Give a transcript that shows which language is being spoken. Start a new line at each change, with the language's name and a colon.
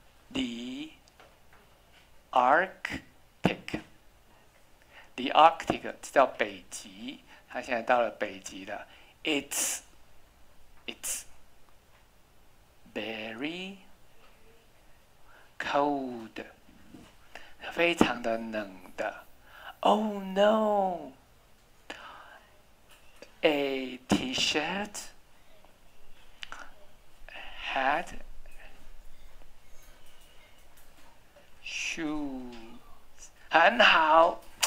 Chinese: The ArcThe Arctic 叫北极，它现在到了北极了。
English: It's very cold，
Chinese: 非常的冷的。
English: Oh no， a T-shirt， hat， shoes，
Chinese: 很好。